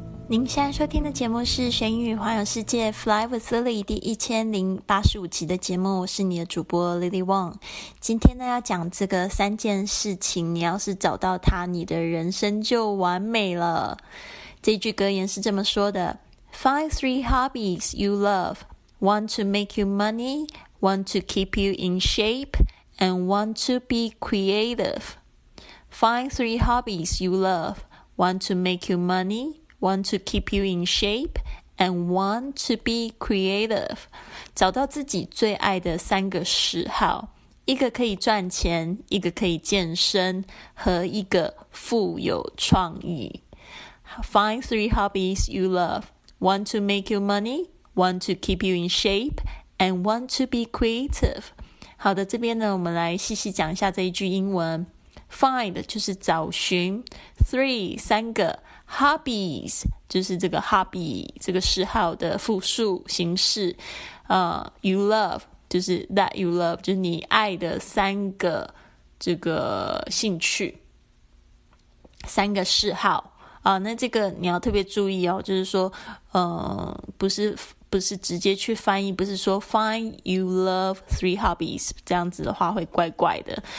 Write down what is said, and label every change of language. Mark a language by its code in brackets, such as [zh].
[zh] 您现在收听的节目是《学英语环游世界》Fly with Lily 第1085集的节目，我是你的主播 Lily Wong。今天呢，要讲这个三件事情，你要是找到它，你的人生就完美了。这句格言是这么说的 [en] ：Find three hobbies you love, one to make you money, one to keep you in shape, and one to be creative. Find three hobbies you love, one to make you money. One to keep you in shape, and one to be creative. [zh] 找到自己最爱的三个嗜好，一个可以赚钱，一个可以健身，和一个富有创意。 [en] Find three hobbies you love. One to make you money, one to keep you in shape, and one to be creative. [zh] 好的，这边呢，我们来细细讲一下这一句英文。 Find 就是找寻 ，three 三个 hobbies 就是这个 hobby 这个嗜好的复数形式，you love 就是 [en] that you love [zh] 就是你爱的三个这个兴趣，三个嗜好啊，那这个你要特别注意哦，就是说，不是直接去翻译，不是说 [en] find you love three hobbies [zh] 这样子的话会怪怪的。